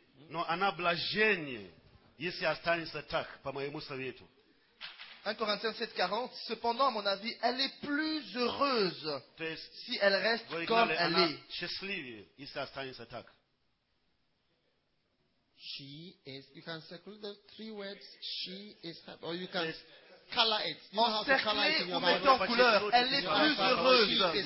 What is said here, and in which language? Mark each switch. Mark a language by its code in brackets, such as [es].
[ru] No, она блаженнее, если останется так, по моему совету. [fr] 1 Corinthiens 7:40. Cependant, à mon avis, elle est plus heureuse si elle reste comme elle est. [ru] Счастливее, если останется так. [en] She is. You can circle the three words. She is happy. Or you can color it. [fr] En cercle ou mettant en couleur, elle est plus heureuse.